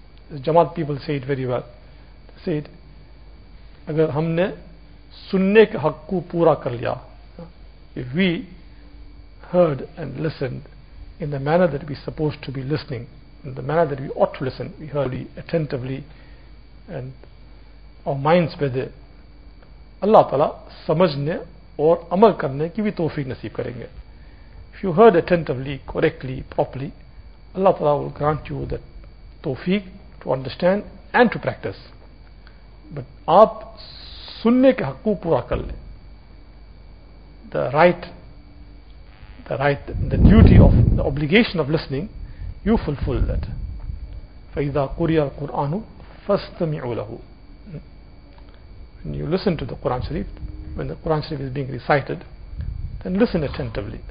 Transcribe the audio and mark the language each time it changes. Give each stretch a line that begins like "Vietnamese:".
English: The Jamaat people say it very well. They say it, اگر ہم نے سننے کے حق کو پورا کر لیا, if we heard and listened in the manner that we supposed to be listening, in the manner that we ought to listen, we heard attentively and our minds were there, اللہ تعالیٰ سمجھنے اور عمل کرنے کی بھی توفیق نصیب کریں گے. If you heard attentively, correctly, properly, Allah Ta'ala will grant you that توفیق to understand and to practice.
Urdu: But آپ سننے کے حق کو پورا کر لیں.
English: The right, the duty of, the obligation of listening, you fulfill that.
Arabic: فَإِذَا قُرِيَ الْقُرْآنُ فَاسْتَمِعُوا لَهُ.
English: When you listen to the Quran Sharif, when the Quran Sharif is being recited, then listen attentively.